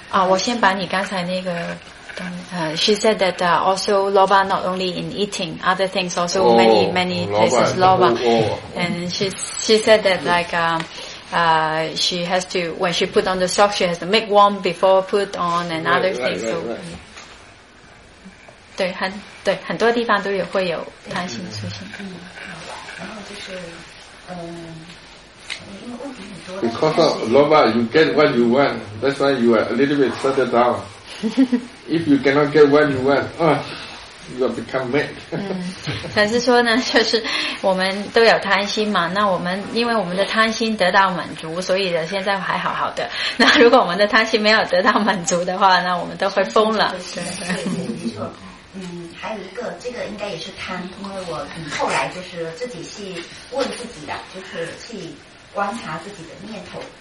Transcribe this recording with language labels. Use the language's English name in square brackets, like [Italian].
[Chinese] 我先把你刚才那个 [English] she said that also loba not only in eating, other things also many places loba. And she said that like she has to, when she put on the sock, she has to make warm before put on and other things. Right. [Chinese] 对，很多地方都有会有贪心出现。然后就是 [English] Because of loba, you get what you want. That's why you are a little bit settled down. If you cannot get what you want, you have become mad. [Chinese] 禅师说呢，就是我们都有贪心嘛。那我们因为我们的贪心得到满足，所以呢现在还好好的。那如果我们的贪心没有得到满足的话，那我们都会疯了。对，没错。还有一个，这个应该也是贪，因为我后来就是自己去问自己的，就是去观察自己的念头。